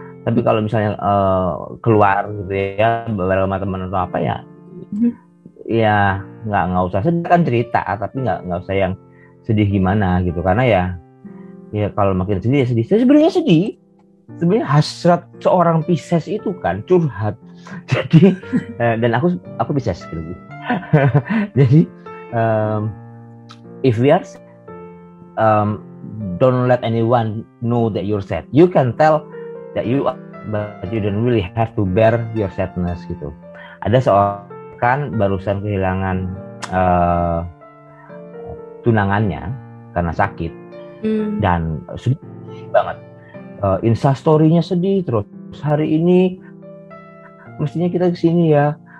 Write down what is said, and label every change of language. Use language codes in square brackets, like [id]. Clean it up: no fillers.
[id] Tapi kalau misalnya keluar gitu ya, beberapa teman atau apa ya, ya nggak usah sedih kan cerita, tapi nggak usah yang sedih gimana gitu, karena ya kalau makin sedih ya sedih. Sebenarnya sedih. Sebenarnya hasrat seorang Pisces itu kan curhat. Jadi dan aku Pisces gitu. Jadi [en] if we are don't let anyone know that you're sad. You can tell that you are, but you don't really have to bear your sadness gitu. [id] Ada seorang kan barusan kehilangan tunangannya karena sakit. Dan sedih banget. Insta story-nya sedih terus. Hari ini mestinya kita kesini ya.